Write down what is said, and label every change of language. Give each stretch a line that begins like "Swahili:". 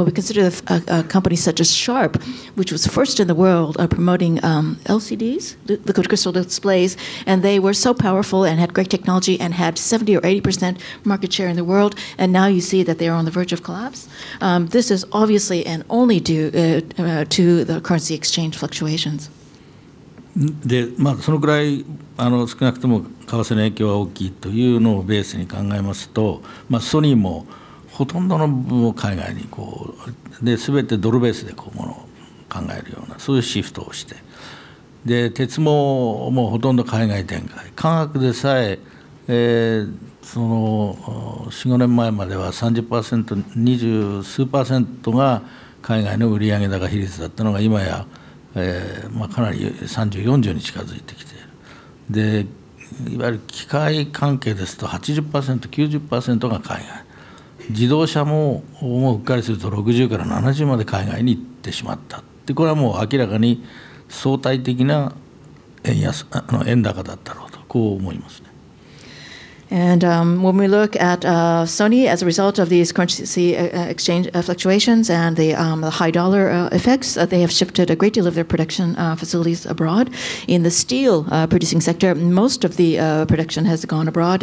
English: When we consider a company such as Sharp, which was first in the world promoting LCDs, liquid crystal displays, and they were so powerful and had great technology and had 70 or 80% market share in the world, and now you see that they're on the verge of collapse. This is obviously and only due to the currency exchange fluctuations.
Japanese: でまあ、そのくらい少なくとも為替の影響は大きいというのをベースに考えますと、まあ、ソニーもほとんどの部分を海外にこうで全てドルベースでこうものを考えるようなそういうシフトをしてで鉄もほとんど海外展開化学でさえ、4、5年前までは 30%、20数%が海外の売上高比率だったのが今やかなり30、40に近づいてきている。で、いわゆる機械関係ですと 80%、90% が海外。自動車も、もううっかりすると60から70まで海外に行ってしまった。で、これはもう明らかに相対的な円安、円高だったろうと、こう思いますね。
English: And when we look at Sony, as a result of these currency exchange fluctuations and the high dollar effects, they have shifted a great deal of their production facilities abroad. In the steel producing sector, most of the production has gone abroad.